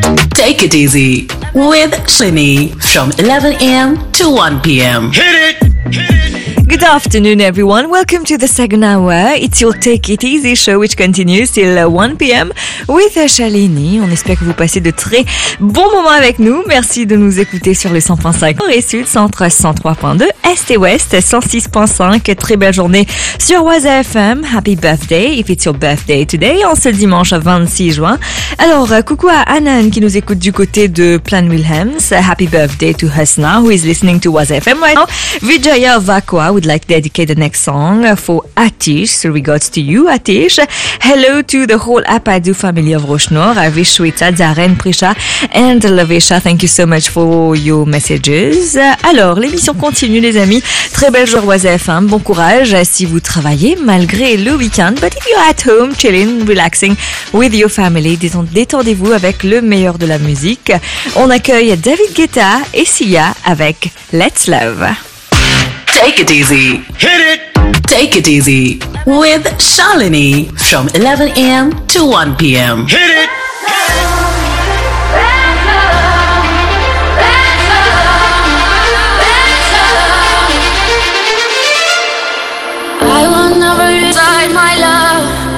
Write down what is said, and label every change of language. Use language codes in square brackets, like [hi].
[en] Take it easy with Shlini from 11 a.m. to 1 p.m. Hit it. Good afternoon, everyone. Welcome to the second hour. It's your Take It Easy show, which continues till 1 p.m. with Shalini. [fr] On espère que vous passez de très bons moments avec nous. Merci de nous écouter sur le 100.5 Nord et Sud, 103.2 Est et Ouest, 106.5. Très belle journée sur Waza FM. [en] Happy birthday, if it's your birthday today, [fr] en ce dimanche 26 juin. Alors, coucou à Anan qui nous écoute du côté de Plan Wilhelms. [en] Happy birthday to Husna, who is listening to Waza FM right now. Vijaya Vakwa would like to dedicate the next song for Atish. So regards to you, Atish. Hello to the whole Apadu family of Roshnor, Avishwita, Zaren, Prisha and Lavesha. Thank you so much for your messages. [fr] Alors, l'émission continue, les amis. Très belle journée, Waza FM. Bon courage si vous travaillez malgré le week-end. [en] But if you're at home, chilling, relaxing with your family, [fr] détendez-vous avec le meilleur de la musique. On accueille David Guetta et Sia avec Let's Love. [en] Take it easy. Hit it. Take it easy with Shalini from 11 a.m. to 1 p.m. Hit it. I will never resign my love.